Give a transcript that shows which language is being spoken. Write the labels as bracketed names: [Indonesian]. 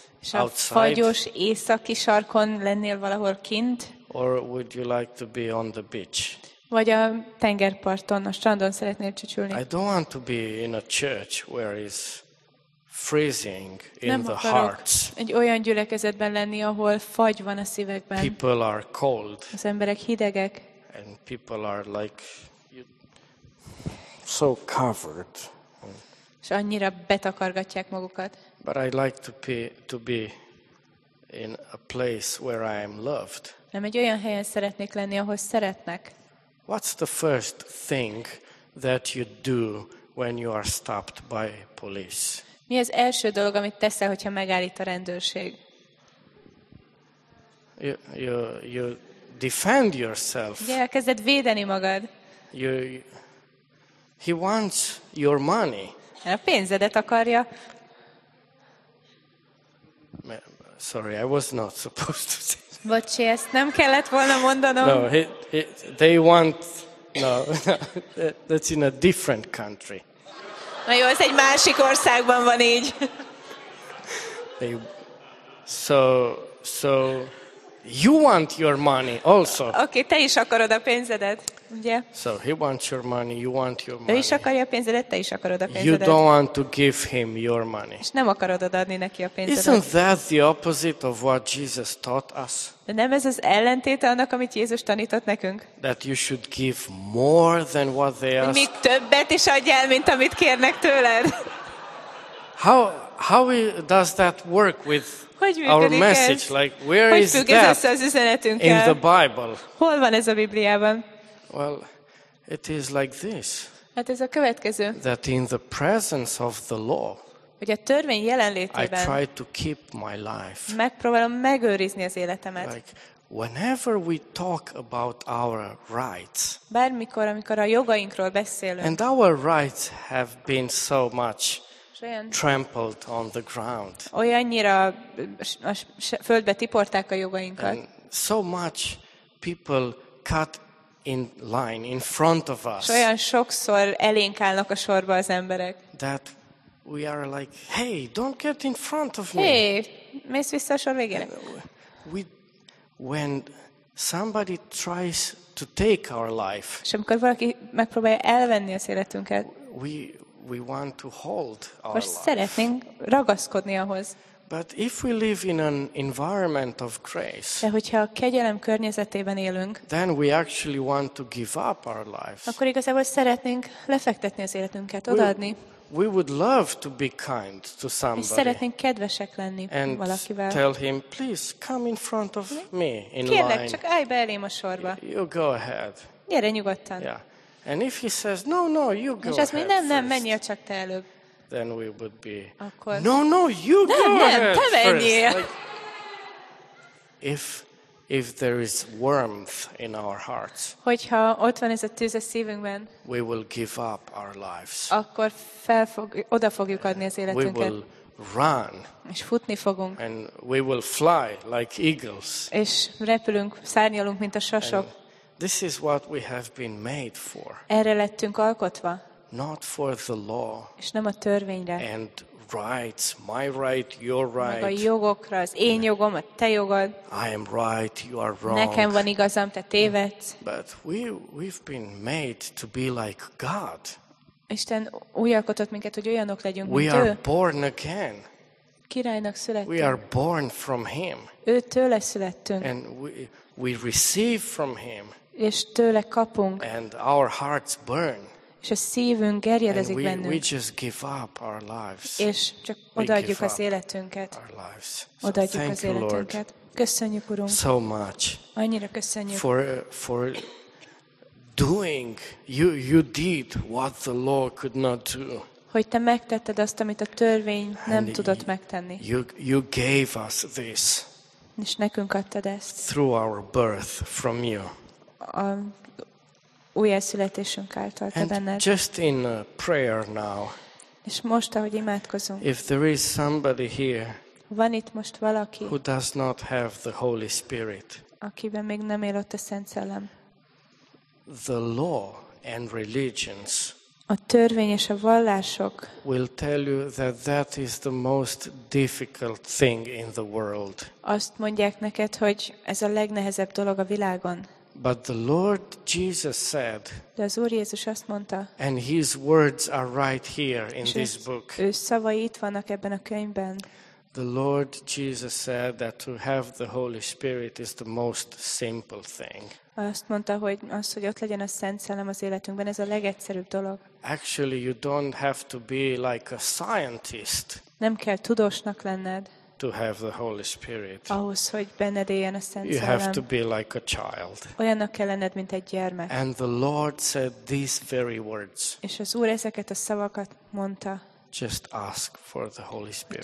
[Hungarian] És a fagyos északi sarkon lennél valahol kint? [English] Or would you like to be on the beach? [Hungarian] Vagy a tengerparton, a strandon szeretnél csücsülni? [English] I don't want to be in a church where is freezing in [Hungarian] nem [English] the hearts. [Hungarian] Egy olyan gyülekezetben lenni, ahol fagy van a szívekben. [English] People are cold. [Hungarian] Az emberek hidegek. [English] And people are like so covered. [Hungarian] És annyira betakargatják magukat. [English] But I like to be in a place where I am loved. [Hungarian] Nem egy olyan helyen szeretnék lenni, ahol szeretnek. [English] What's the first thing that you do when you are stopped by police? [Hungarian] Mi az első dolog, amit teszel, hogyha megállít a rendőrség? [English] You defend yourself. [Hungarian] Ja, elkezded védeni magad. [English] He wants your money. [Hungarian] A pénzedet akarja. [English] Sorry, I was not supposed to say. [Hungarian] Bocsi, ezt nem kellett volna mondanom. [English] No, they want. No, that's in a different country. [Hungarian] Na jó, ez egy másik országban van így. [English] So you want your money also. [Hungarian] Okay, te is akarod a pénzedet, ugye? [English] So he wants your money, you want your money. [Hungarian] Ő is akarja a pénzedet, te is akarod a pénzedet. [English] You don't want to give him your money. [Hungarian] És nem akarod adni neki a pénzedet. [English] Isn't that the opposite of what Jesus taught us? [Hungarian] De nem ez az ellentéte annak, amit Jézus tanított nekünk? [English] That you should give more than what they ask. [Hungarian] Még többet is adj el, mint amit kérnek tőled. [English] How does that work with our message? [Hungarian] Ez? [English] Like, where [Hungarian] hogy [English] is that [Hungarian] az üzenetünk [English] in the Bible? [Hungarian] Hol van ez a Bibliában? [English] Well, it is like this. [Hungarian] Hát ez a következő. [English] That in the presence of the law, [Hungarian] hogy a törvény jelenlétében [English] I try to keep my life. [Hungarian] Megpróbálom megőrizni az életemet. [English] Like, whenever we talk about our rights, [Hungarian] bármikor, amikor a jogainkról beszélünk, [English] and our rights have been so much trampled on the ground. [Hungarian] Olyannyira a földbe tiporták a jogainkat. [English] And so much people cut in line in front of us. [Hungarian] Olyan sokszor elénk állnak a sorba az emberek. [English] That we are like, hey, don't get in front of me. [Hungarian] Hey, mész vissza a sor végére. [English] When somebody tries to take our life, [Hungarian] és amikor valaki megpróbálja elvenni az életünket, [English] we want to hold our life. [Hungarian] Most szeretnénk ragaszkodni ahhoz. [English] But if we live in an environment of grace, [Hungarian] de hogyha a kegyelem környezetében élünk, [English] then we actually want to give up our lives. [Hungarian] Akkor igazából szeretnénk lefektetni az életünket, odaadni. [English] We would love to be kind to somebody. [Hungarian] És szeretnénk kedvesek lenni [English] and [Hungarian] valakivel. [English] Tell him, please come in front of me in [Hungarian] kérlek, [English] line. [Hungarian] Kérlek, csak állj be elém a sorba. [English] You go ahead. [Hungarian] Gyere nyugodtan. [English] Yeah. And if he says, no, no, you go ahead. [Hungarian] És azt mondja, nem, menjél csak te előbb. [English] Then we would be. [Hungarian] Akkor, [English] no, you go ahead [Hungarian] te menjél. [English] First. If there is warmth in our hearts, [Hungarian] hogyha ott van ez a tűz a szívünkben, [English] we will give up our lives. [Hungarian] Akkor fel fog, oda fogjuk adni az életünket. [English] We will run. [Hungarian] És futni fogunk. [English] And we will fly like eagles. [Hungarian] És repülünk, szárnyalunk mint a sasok. [English] This is what we have been made for. [Hungarian] Erre lettünk alkotva. [English] Not for the law. [Hungarian] És nem a törvényre. [English] And rights, my right, your right. [Hungarian] Meg a jogokra, az én jogom, a te jogod. [English] I am right, you are wrong. [Hungarian] Nekem van igazam, te tévedsz. [English] But we've been made to be like God. [Hungarian] Isten úgy alkotott minket, hogy olyanok legyünk, [English] we [Hungarian] mint [English] are [Hungarian] ő. [English] Born again. [Hungarian] Királynak születtünk. [English] We are born from him. [Hungarian] Ő tőle születtünk. [English] And we receive from him. [Hungarian] És tőle kapunk. [English] And our hearts burn. [Hungarian] És a szívünk gerjedezik bennünk. [English] We just give up our lives. [Hungarian] És csak odaadjuk az életünket. Odaadjuk az életünket. Köszönjük, Urunk. [English] So much. [Hungarian] Annyira köszönjük. [English] For doing you did what the law could not do. [Hungarian] Hogy te megtetted azt, amit a törvény nem tudott megtenni. [English] You gave us this. [Hungarian] És nekünk adtad ezt. [English] Through our birth from you. [Hungarian] Újjászületésünk által te benned. [English] And just in a prayer now. [Hungarian] És most, ahogy imádkozunk. [English] If there is somebody here. [Hungarian] Van itt most valaki. [English] Who does not have the Holy Spirit. [Hungarian] Akiben még nem él ott a Szent Szellem. [English] The law and religions. [Hungarian] A törvény és a vallások. [English] Will tell you that is the most difficult thing in the world. [Hungarian] Azt mondják neked, hogy ez a legnehezebb dolog a világon. [English] But the Lord Jesus said. [Hungarian] De az Úr Jézus azt mondta. [English] And his words are right here in this book. [Hungarian] Ő szavai itt vannak ebben a könyvben. [English] The Lord Jesus said that to have the Holy Spirit is the most simple thing. [Hungarian] Azt mondta, hogy az, hogy ott legyen a Szent Szellem az életünkben, ez a legegyszerűbb dolog. [English] Actually, you don't have to be like a scientist. [Hungarian] Nem kell tudósnak lenned. [English] To have the Holy Spirit. [Hungarian] Ahhoz, hogy benned éljen a Szent Szellem. [English] You have to be like a child. [Hungarian] Olyannak kell lenned, mint egy gyermek. [English] And the Lord said these very words. [Hungarian] És az Úr ezeket a szavakat mondta. [English] Just ask for the Holy Spirit.